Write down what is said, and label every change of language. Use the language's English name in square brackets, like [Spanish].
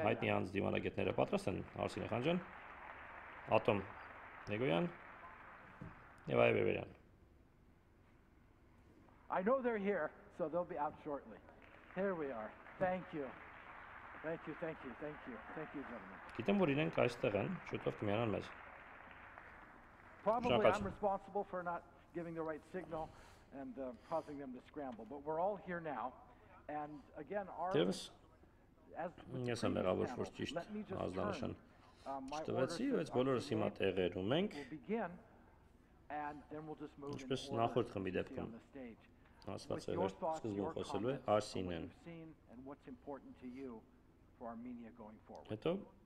[Armenian] Հայտնի անձդիմանագետները պատրաստ են, Արսինեե Խանջյան, Ատոմ Էգոյան և Վահե Բերբերյան. [English] I know they're here, so they'll be out shortly. Here we are. Thank you. Thank you, thank you, thank you. Thank you, gentlemen. [Armenian] Գիտեմ, որ իրենք այստեղ են, շուտով կմիանան մեզ. [English] Probably I'm responsible for not giving the right signal and causing them to scramble, but we're all here now. And again, our [Armenian] Ես եմ մեղավոր, որ ճիշտ ազդանշան չտվեցի, բայց բոլորս հիմա տեղերում ենք, ինչպես նախորդ խմբի դեպքում ասված է վեր սկզբում խոսելու է Արսինեն, հետո